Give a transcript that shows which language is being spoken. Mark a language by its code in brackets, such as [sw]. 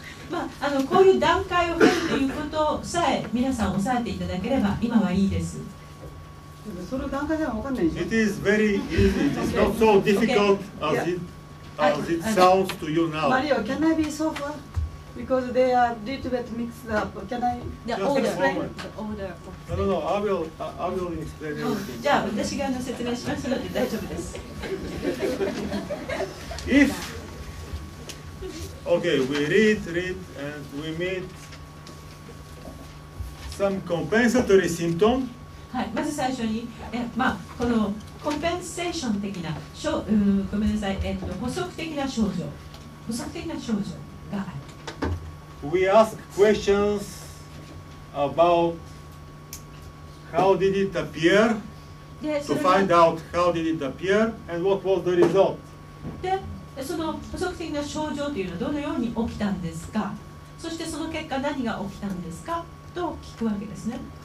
[ja] まあ、こういう段階を踏むということさえ皆さん押さえていただければ今はいいです。その段階では分かんないでしょ。 [en] It is very easy. It's not so difficult as it sounds to you now. Mario, can I be so far? Because they are a little bit mixed up. Can I explain? No, I will explain. [ja] じゃあ私が説明しますので大丈夫です。 [en] If okay, we read and we meet some compensatory symptom. [ja] はい、まず最初に、このコンペンセーション的な、ごめんなさい、補足的な症状、補足的な症状がある。 [en] We ask questions about how did it appear, to find out how did it appear and what was the result. [ja] で、その補足的な症状というのはどのように起きたんですか、そしてその結果何が起きたんですかと聞くわけですね。